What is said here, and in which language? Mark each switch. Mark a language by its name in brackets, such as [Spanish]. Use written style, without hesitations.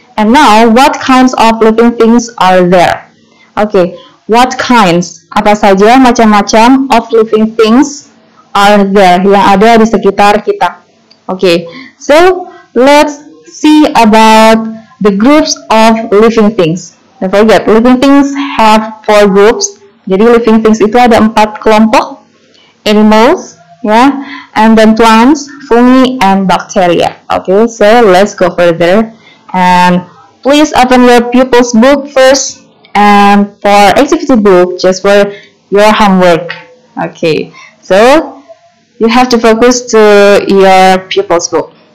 [English] And now what kinds of living things are there? Okay, what kinds? [Indonesian] Apa saja macam-macam [English] of living things are there [Indonesian] yang ada di sekitar kita? [English] Okay, so let's see about the groups of living things. Don't forget, living things have four groups. [Indonesian] Jadi living things itu ada empat kelompok. [English] Animals, yeah, and then plants, fungi, and bacteria. Okay, so let's go further. And please open your pupils book first. And for activity book, just for your homework. Okay, so you have to focus to your pupils book.